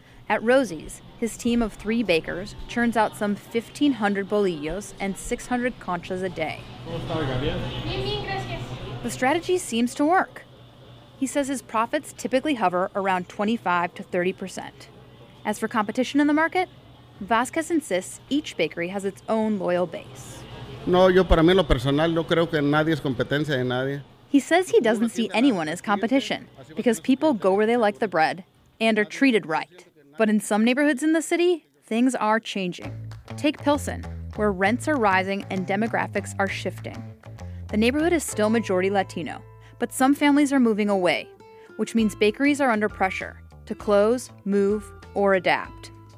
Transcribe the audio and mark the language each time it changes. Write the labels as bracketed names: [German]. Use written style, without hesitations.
[English] At Rosie's, his team of three bakers churns out some 1,500 bolillos and 600 conchas a day. The strategy seems to work. He says his profits typically hover around 25 to 30%. As for competition in the market, Vasquez insists each bakery has its own loyal base. [Spanish] No, yo para mí lo personal, yo creo que nadie es competencia de nadie. [English] He says he doesn't see anyone as competition because people go where they like the bread and are treated right. But in some neighborhoods in the city, things are changing. Take Pilsen, where rents are rising and demographics are shifting. The neighborhood is still majority Latino, but some families are moving away, which means bakeries are under pressure to close, move, or adapt.